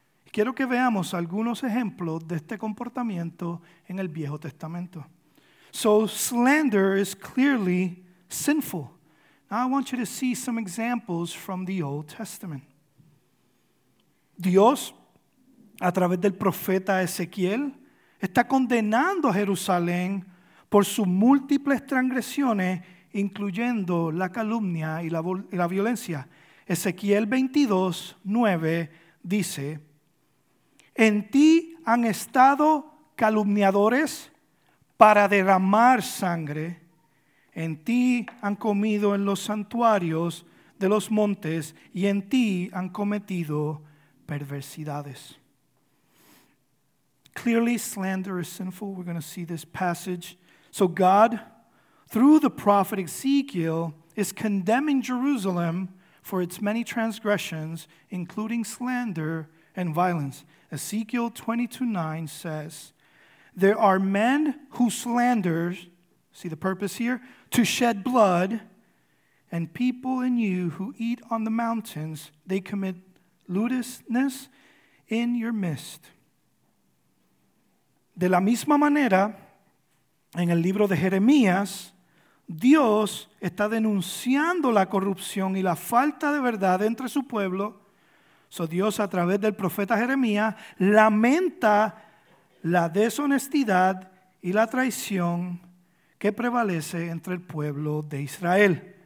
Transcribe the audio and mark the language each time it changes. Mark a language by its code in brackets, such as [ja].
[es] Quiero que veamos algunos ejemplos de este comportamiento en el Viejo Testamento. [en] So slander is clearly sinful. Now I want you to see some examples from the Old Testament. [es] Dios, a través del profeta Ezequiel, está condenando a Jerusalén por sus múltiples transgresiones, incluyendo la calumnia y la violencia. Ezequiel 22:9 dice: En ti han estado calumniadores para derramar sangre. En ti han comido en los santuarios de los montes y en ti han cometido perversidades. [en] Clearly, slander is sinful. We're going to see this passage. So God, through the prophet Ezekiel, is condemning Jerusalem for its many transgressions, including slander and violence. Ezekiel 22:9 says, There are men who slander, see the purpose here, to shed blood, and people in you who eat on the mountains, they commit lewdness in your midst. [es] De la misma manera, en el libro de Jeremías, Dios está denunciando la corrupción y la falta de verdad entre su pueblo. So Dios, a través del profeta Jeremías, lamenta la deshonestidad y la traición que prevalece entre el pueblo de Israel.